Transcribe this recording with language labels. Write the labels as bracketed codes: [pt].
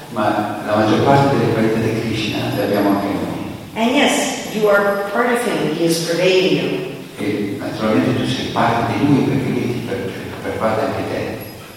[it] Ma la maggior parte delle qualità di Krishna le abbiamo anche noi. [en] And yes, you are part of him, he is pervading you. [it] E naturalmente tu sei parte di lui perché lui ti pervade anche te.